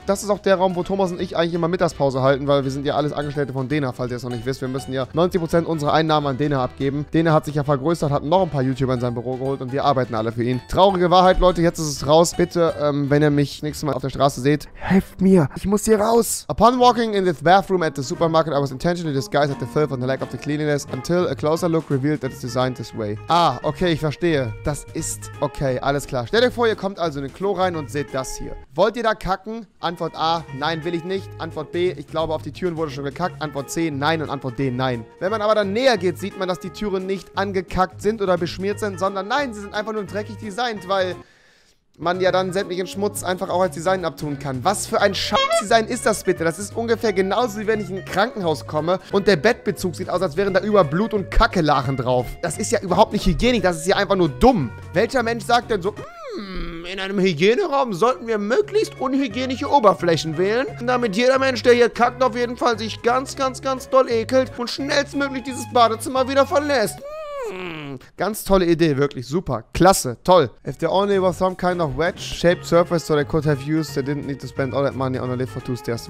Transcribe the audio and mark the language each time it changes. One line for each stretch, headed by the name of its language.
German: Das ist auch der Raum, wo Thomas und ich eigentlich immer Mittagspause halten, weil wir sind ja alles Angestellte von Dena, falls ihr es noch nicht wisst. Wir müssen ja 90% unserer Einnahmen an Dena abgeben. Dena hat sich ja vergrößert, hat noch ein paar YouTuber in sein Büro geholt und wir arbeiten alle für ihn. Traurige Wahrheit, Leute, jetzt ist es raus. Bitte, wenn ihr mich nächstes Mal auf der Straße seht, helft mir! Ich muss hier raus!
English: Upon walking in this bathroom at the supermarket, I was intentionally disguised the filth and the lack of the cleanliness until a closer look revealed that it's designed this way.
German: Ah, okay, ich verstehe. Das ist okay, alles klar. Stellt euch vor, ihr kommt also in den Klo rein und seht das hier. Wollt ihr da kacken? Antwort A, nein, will ich nicht. Antwort B, ich glaube, auf die Türen wurde schon gekackt. Antwort C, nein. Und Antwort D, nein. Wenn man aber dann näher geht, sieht man, dass die Türen nicht angekackt sind oder beschmiert sind, sondern nein, sie sind einfach nur dreckig designt, weil man ja dann sämtlichen Schmutz einfach auch als Design abtun kann. Was für ein Scheiß-Design ist das bitte? Das ist ungefähr genauso, wie wenn ich in ein Krankenhaus komme und der Bettbezug sieht aus, als wären da über Blut und Kackelachen drauf. Das ist ja überhaupt nicht hygienisch, das ist ja einfach nur dumm. Welcher Mensch sagt denn so, in einem Hygieneraum sollten wir möglichst unhygienische Oberflächen wählen, damit jeder Mensch, der hier kackt, auf jeden Fall sich ganz, ganz, ganz doll ekelt und schnellstmöglich dieses Badezimmer wieder verlässt. Ganz tolle Idee, wirklich super, klasse, toll.
English: If there only was some kind of wedge-shaped surface so they could have used, they didn't need to spend all that money on a lift for two stairs.